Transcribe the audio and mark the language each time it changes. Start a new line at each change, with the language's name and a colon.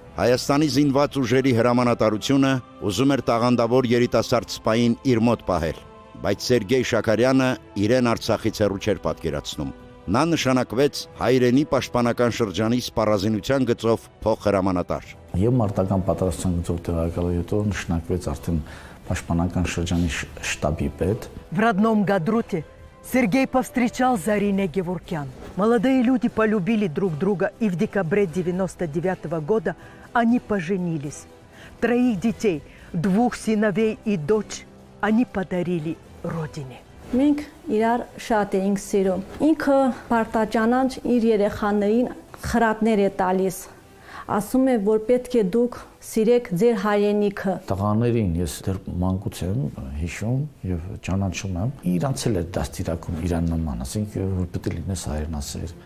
Armenian: Հայաստանի զինված ուժերի հրամանատարությունը ուզում էր տաղանդավոր երիտասարդ սպային իր մոտ պահել, բայց Սերգեյ Շաքարյանը իրեն Արցախից հեռու չէր պատկերացնում։ Նա նշանակվեց հայրենի պաշտպանական շրջանի սպառազինության գծով փոխ հրամանատար։ Եվ մարտական պատրաստության գծով տեղակալու հետո նշանակվեց արդեն պաշտպանական շրջանի շտաբի պետ։
Russian: В родном Гадруте Сергей повстречал Зарине Геворкян. Молодые люди полюбили друг друга, и в декабре 99-го года они поженились. Троих детей, двух сыновей и дочь они подарили родине.
Armenian: Մենք իրար շատ էինք սիրում, ինքը պարտաճանանչ իր երեխաներին խրատներ է տալիս, ասում է, որ պետք է դուք սիրեք ձեր հայրենիքը։ Տղաներին ես դեռ մանկուց եմ հիշում և ճանաչում եմ, իրանցել է դաստիարակում իրան նման, ասենք որ պետք է լինես հայրենասեր։